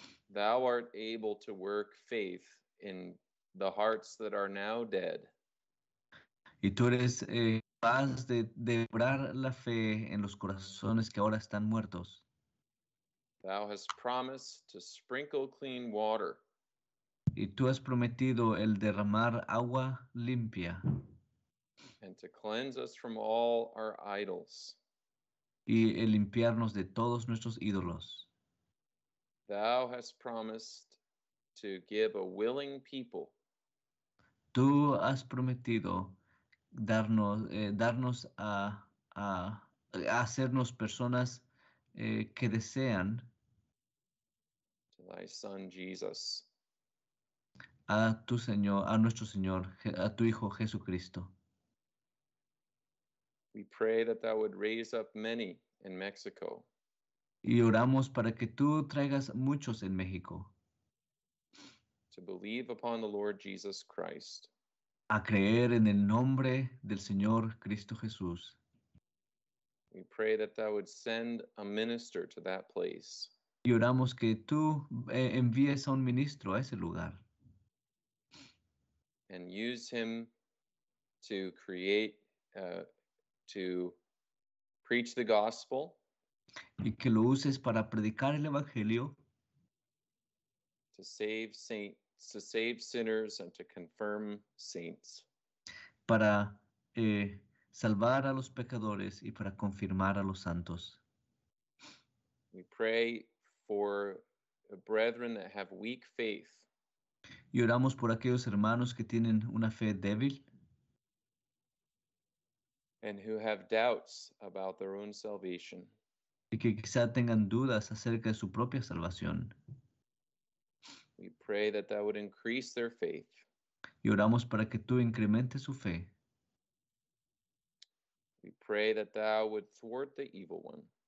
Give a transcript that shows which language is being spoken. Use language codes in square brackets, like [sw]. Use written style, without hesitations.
[en] Thou art able to work faith in the hearts that are now dead. [es] Y tú eres capaz de obrar la fe en los corazones que ahora están muertos. [en] Thou hast promised to sprinkle clean water. [es] Y tú has prometido el derramar agua limpia. [en] And to cleanse us from all our idols. [es] Y el limpiarnos de todos nuestros ídolos. [en] Thou hast promised to give a willing people. [es] Tú has prometido darnos a hacernos personas que desean [en] thy son Jesus. [es] A tu Señor, a nuestro Señor, a tu Hijo Jesucristo. [en] We pray that thou would raise up many in Mexico. [es] Y oramos para que tú traigas muchos en México. [en] To believe upon the Lord Jesus Christ. [es] A creer en el nombre del Señor Cristo Jesús. [en] We pray that thou would send a minister to that place. [es] Y oramos que tú envíes a un ministro a ese lugar. [en] And use him to create, to preach the gospel. [es] Y que lo uses para predicar el evangelio. [en] To save saints, to save sinners, and to confirm saints. [es] Para salvar a los pecadores y para confirmar a los santos. [en] We pray for brethren that have weak faith. [es] Y oramos por aquellos hermanos que tienen una fe débil. [en] And who have doubts about their own salvation. [es] Y que quizá tengan dudas acerca de su propia salvación. [en] We pray that that would increase their faith. [es] Y oramos para que tú incrementes su fe. [en] We pray that thou would thwart the evil one.